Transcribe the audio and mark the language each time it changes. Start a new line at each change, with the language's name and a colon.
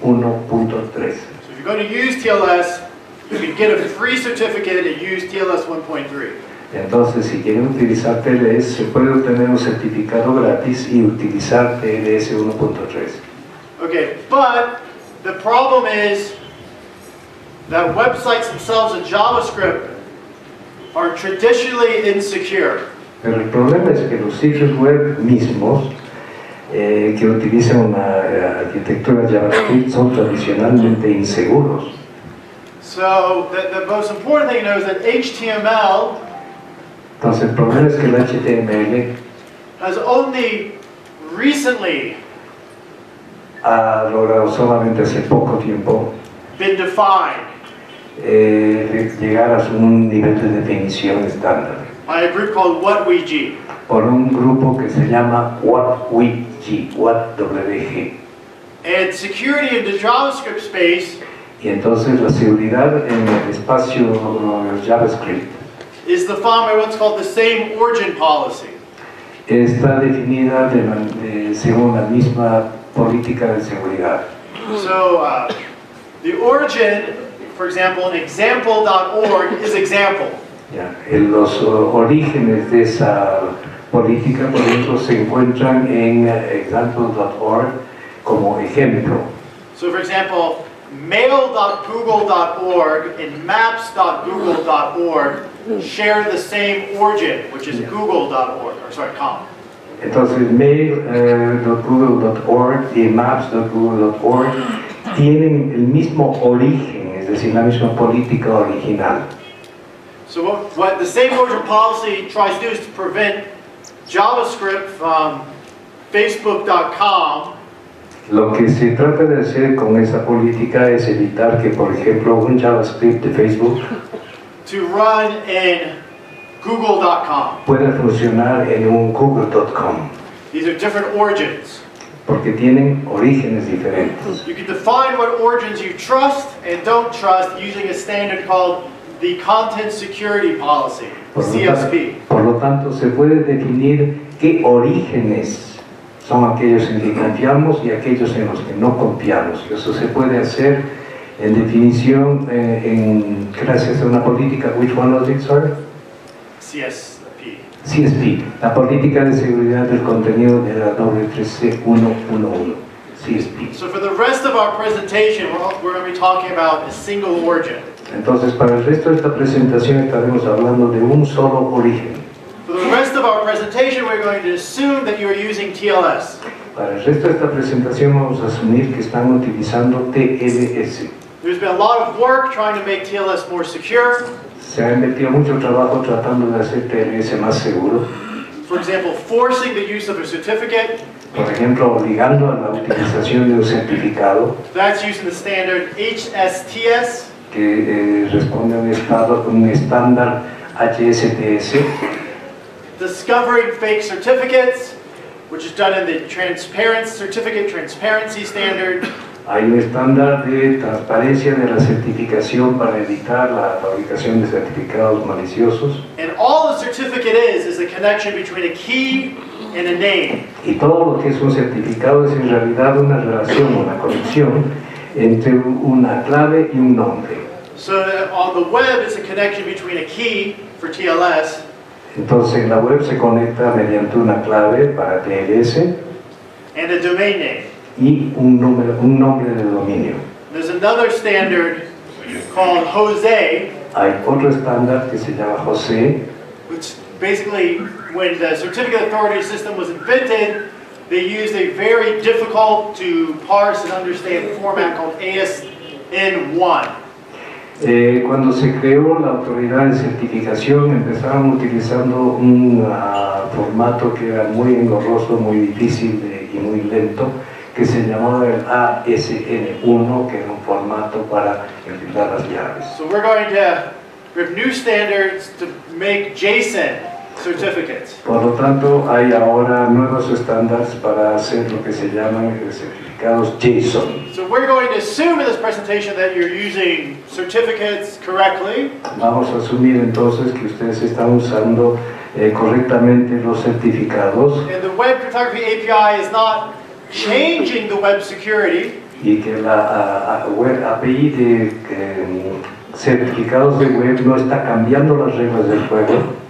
English: So if you're going to use TLS, you can get a free certificate and use TLS 1.3.
Spanish: Entonces, si quieren utilizar TLS, se puede obtener un certificado gratis y utilizar TLS 1.3.
English: Okay, but the problem is that websites themselves in JavaScript are traditionally insecure.
Spanish: Pero el problema es que los sitios web mismos que utilizan una arquitectura JavaScript son tradicionalmente inseguros.
English: So the most important thing to know is that HTML.
Spanish: Entonces el problema es que el HTML
English: has only recently
Spanish: ha logrado solamente hace poco tiempo
English: been defined.
Spanish: Llegar a un nivel de definición estándar.
English: By a group called WhatWG.
Spanish: Por un grupo que se llama WhatWG, WhatWG.
English: And security in the JavaScript space.
Spanish: Y entonces la seguridad en el espacio JavaScript.
English: Is defined by what's called the same origin policy.
Spanish: Está definida según la misma política de seguridad.
English: So the origin, for example, an example.org is example. Yeah.
Spanish: Los orígenes de esa política, por ejemplo, se encuentran en example.org como ejemplo.
English: So, for example, mail.google.org and maps.google.org share the same origin, which is google.org, or sorry, com.
Spanish: Entonces, mail.google.org y maps.google.org tienen el mismo origen, es decir, la misma política original.
English: So what the same origin policy tries to do is to prevent JavaScript from Facebook.com.
Spanish: Lo que se trata de hacer con esa política es evitar que, por ejemplo, un JavaScript de Facebook
English: to run in Google.com.
Spanish: Pueda funcionar en un Google.com.
English: These are different origins.
Spanish: Porque tienen orígenes diferentes.
English: You can define what origins you trust and don't trust using a standard called the Content Security Policy, CSP.
Spanish: Por lo tanto, se puede definir qué orígenes son aquellos en que confiamos y aquellos en los que no confiamos. Eso se puede hacer en definición gracias a una política.
English: Which one was it, sorry? CSP.
Spanish: CSP, la política de seguridad del contenido de la W3C 111.
English: CSP. So for the rest of our presentation, we're going to be talking about a single origin.
Spanish: Entonces, para el resto de esta presentación, estaremos hablando de un solo origen.
English: For the rest of our presentation, we're going to assume that you are using TLS.
Spanish: Para el resto de esta presentación, vamos a asumir que están utilizando TLS.
English: There's been a lot of work trying to make TLS more secure.
Spanish: Se ha invertido mucho trabajo tratando de hacer TLS más seguro.
English: For example, forcing the use of a certificate.
Spanish: Por ejemplo, obligando a la utilización de un certificado.
English: That's using the standard HSTS.
Spanish: Que responde a un estándar HSTS.
English: Discovering fake certificates, which is done in the Certificate Transparency Standard.
Spanish: Hay un estándar de transparencia de la certificación para evitar la fabricación de certificados maliciosos.
English: And all a certificate is a connection between a key and a name.
Spanish: Y todo lo que es un certificado es en realidad una relación, una conexión entre una clave y un nombre.
English: So on the web is a connection between a key for TLS.
Spanish: Entonces la web se conecta mediante una clave para TLS.
English: And a domain name.
Spanish: Y un nombre de dominio.
English: There's another standard called Jose.
Spanish: Hay otro estándar que se llama Jose.
English: Which basically, when the certificate authority system was invented, they used a very difficult to parse and understand format called ASN1.
Spanish: Cuando se creó la autoridad de certificación, empezaron utilizando un formato que era muy engorroso, muy difícil y muy lento. Que se llamaba el ASN1, que era un formato para enfilar las llaves.
English: So we're going to have new standards to make JSON certificates.
Spanish: Por lo tanto, hay ahora nuevos estándares para hacer lo que se llaman certificados JSON.
English: So we're going to assume in this presentation that you're using certificates correctly.
Spanish: Vamos a asumir entonces que ustedes están usando correctamente los certificados.
English: And the Web Cryptography API is not changing the web security.
Spanish: Y que la web API de certificados de web no está cambiando las reglas del juego.